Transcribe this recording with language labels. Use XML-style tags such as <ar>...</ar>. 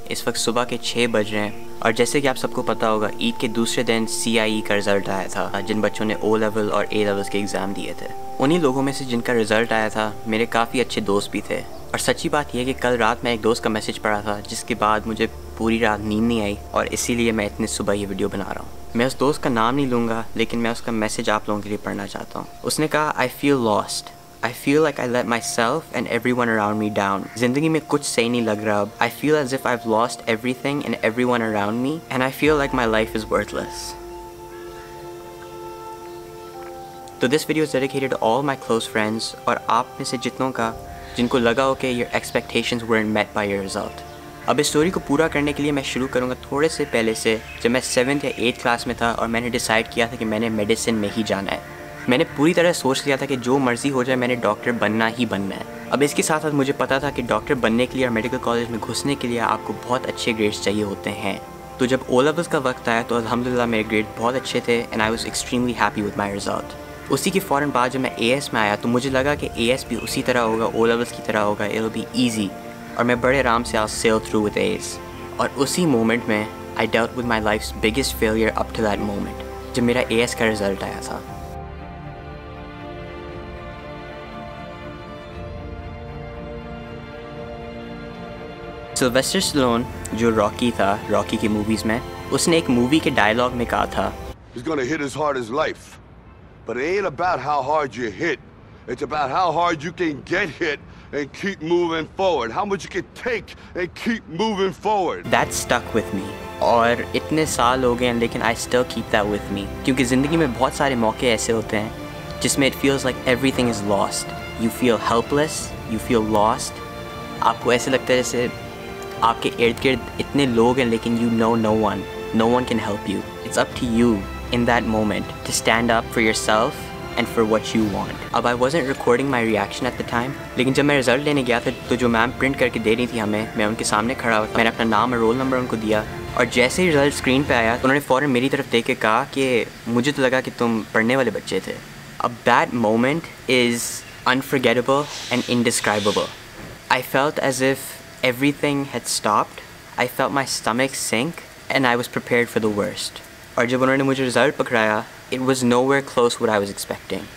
<hi>इस वक्त सुबह के 6 बज रहे हैं और जैसे कि आप सबको पता होगा, ईद के दूसरे दिन CIE का रिजल्ट आया था, जिन बच्चों ने ओ लेवल और ए लेवल्स के एग्ज़ाम दिए थे। उन्हीं लोगों में से जिनका रिजल्ट आया था, मेरे काफ़ी अच्छे दोस्त भी थे। और सच्ची बात यह कि कल रात मैं एक दोस्त का मैसेज पढ़ा था, जिसके बाद मुझे पूरी रात नींद नहीं आई और इसीलिए मैं इतनी सुबह ये वीडियो बना रहा हूँ। मैं उस दोस्त का नाम नहीं लूँगा, लेकिन मैं उसका मैसेज आप लोगों के लिए पढ़ना चाहता हूँ। उसने कहा,</hi> <en>I feel lost, I feel like I let myself and everyone around me down.</en> <hi>Zindagi mein kuch sahi nahi lag raha.</hi> <en>I feel as if I've lost everything and everyone around me, and I feel like my life is worthless. So this video is dedicated to all my close friends</en> <hi>aur aap mein se jitno ka jinko laga ho ke</hi> <en>your expectations weren't met by your result.</en> <hi>अब इस story को पूरा करने के लिए मैं शुरू करूँगा थोड़े से पहले से, जब मैं 7th या 8th क्लास में था और मैंने डिसाइड किया था कि मैंने मेडिसिन में ही जाना है। मैंने पूरी तरह सोच लिया था कि जो मर्जी हो जाए, मैंने डॉक्टर बनना ही बनना है। अब इसके साथ साथ मुझे पता था कि डॉक्टर बनने के लिए और मेडिकल कॉलेज में घुसने के लिए आपको बहुत अच्छे ग्रेड्स चाहिए होते हैं। तो जब ओ लेवल्स का वक्त आया तो अल्हम्दुलिल्लाह मेरे ग्रेड बहुत अच्छे थे</hi> <en>And I was extremely happy with my result.</en> <hi>उसी के फ़ौरन बाद जब मैं AS में आया तो मुझे लगा कि AS भी उसी तरह होगा, ओ लेवल्स की तरह होगा,</hi> <en>it will be easy</en> <hi>और मैं बड़े आराम से</hi> <en>आज sail through with</en> <hi>AS। और उसी</hi> <en>moment में I dealt with my life biggest failure up to that moment,</en> <hi>जब मेरा AS का रिजल्ट आया था। सिल्वेस्टर स्टैलोन, जो रॉकी था रॉकी की मूवीज में, उसने एक मूवी के डायलॉग में कहा था,</hi> <en>He's gonna hit as hard as life, but it ain't about how hard you hit, it's about how hard you can get hit and keep moving forward, how much you can take and keep moving forward. That stuck with me,</en> <hi>और इतने साल हो गए हैं लेकिन</hi> <en>I still keep that with me,</en> <hi>क्योंकि जिंदगी में बहुत सारे मौके ऐसे होते हैं जिसमें</hi> <en>it feels like everything is lost, you feel helpless, you feel lost,</en> <hi>आपको ऐसे लगता है जैसे आपके इर्द गिर्द इतने लोग हैं लेकिन</hi> <en>You know no one, no one can help you. It's up to you in that moment to stand up for yourself and for what you want.</en> <hi>अब</hi> <en>I wasn't recording my reaction at the time,</en> <hi>लेकिन जब मैं result लेने गया था तो जो ma'am print करके दे रही थी हमें, मैं उनके सामने खड़ा हुआ था, मैंने अपना नाम और रोल नंबर उनको दिया और जैसे ही रिजल्ट स्क्रीन पर आया तो उन्होंने फ़ौरन मेरी तरफ देख के कहा कि मुझे तो लगा कि तुम पढ़ने वाले बच्चे थे।</hi> <en>अब that moment is unforgettable and indescribable. I felt as if Everything had stopped. I felt my stomach sink and I was prepared for the worst.</en> <hi>Aur jab unhone mujhe result pakraya,</hi> <en>it was nowhere close what I was expecting.</en>